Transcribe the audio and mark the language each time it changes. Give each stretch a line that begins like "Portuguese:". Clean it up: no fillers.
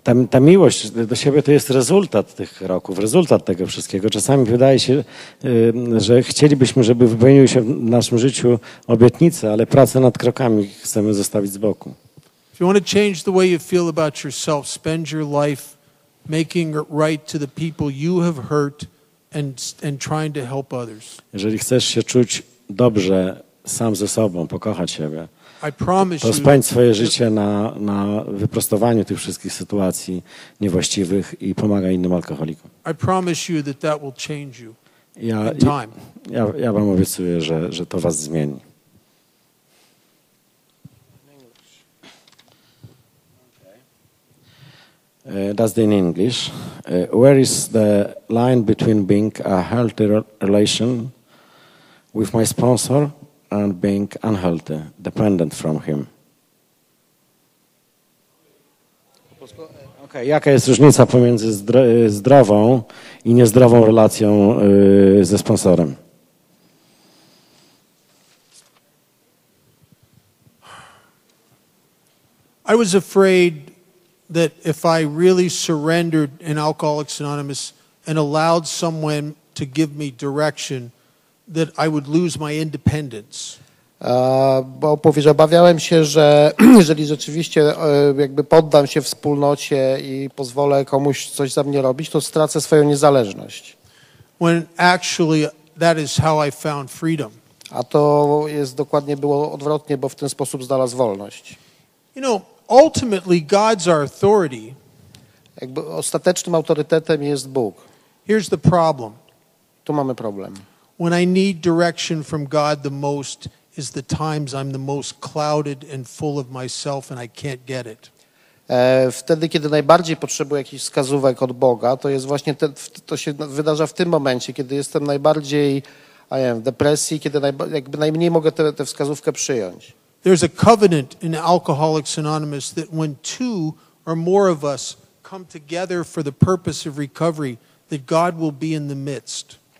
Polish: Ta miłość do siebie to jest rezultat tych kroków, rezultat tego wszystkiego. Czasami wydaje się, że chcielibyśmy, żeby wypełniły się w naszym życiu obietnice, ale pracę nad krokami chcemy zostawić z boku.
English: If you want to change the way you feel about yourself, spend your life making it right to the people you have hurt and trying to help others.
Polish: Jeżeli chcesz się czuć dobrze sam ze sobą, pokochać siebie, to spędź swoje życie na wyprostowaniu tych wszystkich sytuacji niewłaściwych i pomagaj innym alkoholikom.
English: I promise you that that will change you in time.
Polish: Ja wam obiecuję, że to was zmieni.
English: That's in English. Where is the line between being a healthy relation with my sponsor and being unhealthy, dependent from him.
Polish: Okay, jaka jest różnica pomiędzy zdrową i niezdrową relacją ze sponsorem?
English: I was afraid that if I really surrendered in Alcoholics Anonymous and allowed someone to give me direction, that I would lose my independence.
Polish: Bo powie, że obawiałem się, że jeżeli rzeczywiście jakby poddam się wspólnocie i pozwolę komuś coś za mnie robić, to stracę swoją niezależność.
English: When actually that is how I found freedom.
Polish: A to jest dokładnie było odwrotnie, bo w ten sposób znalazł wolność.
English: You know, ultimately God's our authority.
Polish: Jakby ostatecznym autorytetem jest Bóg.
English: Here's the problem.
Polish: Tu mamy problem.
English: When I need direction from God the most is the times I'm the most clouded and full of myself and I can't get it.
Polish: Wtedy, kiedy najbardziej potrzebuję jakichś wskazówek od Boga, to jest właśnie to się wydarza w tym momencie, kiedy jestem najbardziej w depresji, kiedy jakby najmniej mogę tę wskazówkę przyjąć.
English: There's a covenant in Alcoholics Anonymous that when two or more of us come together for the purpose of recovery, that God will be in the midst.